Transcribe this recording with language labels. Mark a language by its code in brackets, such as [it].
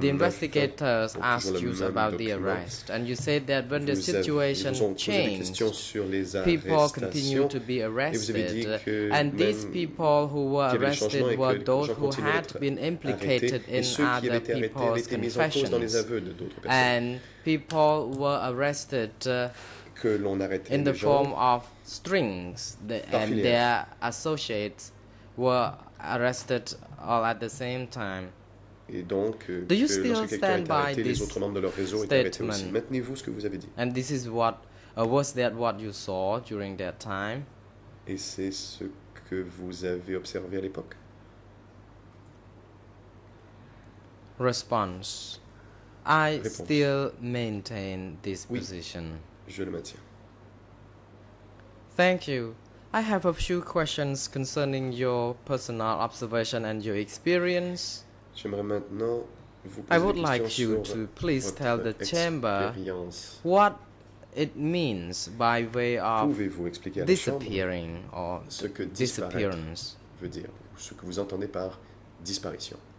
[en] The investigators asked you about the arrest, and you said that when the situation changed, people continued to be arrested, and these people who were arrested were those who had been implicated in other people's confessions, and people were arrested in the form of strings, and their associates were arrested all at the same time. [fr] Et donc, [en] do you still stand by this statement? And this is what was that what you saw during that time? [fr] Et c'est ce que vous avez observé à l'époque? [en] Response. I still maintain this position. [fr] Je le maintiens. [en] Thank you. I have a few questions concerning your personal observation and your experience. [fr] J'aimerais maintenant vous poser. [en] I would like you to please tell the chamber what it means by way of disappearing or [fr] ce que disparaître veut dire, ou ce que vous entendez par disparition.